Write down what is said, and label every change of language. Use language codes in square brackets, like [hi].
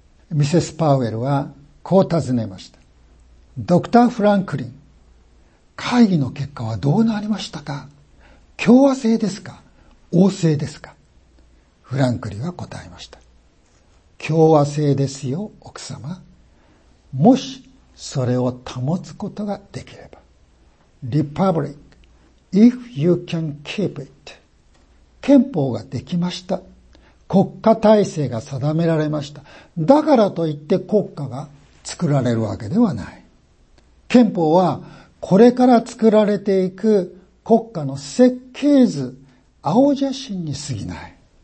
[ja] ミセス・パウエルはこう尋ねました。ドクター・フランクリン、会議の結果はどうなりましたか？共和制ですか？王制ですか？フランクリンは答えました。共和制ですよ、奥様。もしそれを保つことができれば。 [en] Republic, if you can keep it. [ja] 憲法ができました。国家体制が定められました。だからといって国家が作られるわけではない。憲法はこれから作られていく国家の設計図、青写真に過ぎない。